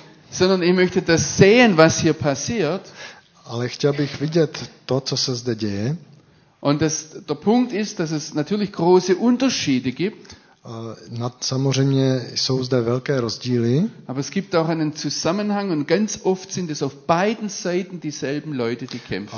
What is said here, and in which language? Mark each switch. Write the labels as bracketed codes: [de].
[de] sondern ich möchte das sehen, was hier passiert. [cs] Ale chtěl bych vidět to, co se zde děje. [de] Und der Punkt ist, dass es natürlich große Unterschiede gibt. [cs] Samozřejmě jsou zde velké rozdíly. [de] Aber es gibt auch einen Zusammenhang und ganz oft sind es auf beiden Seiten dieselben Leute, die kämpfen.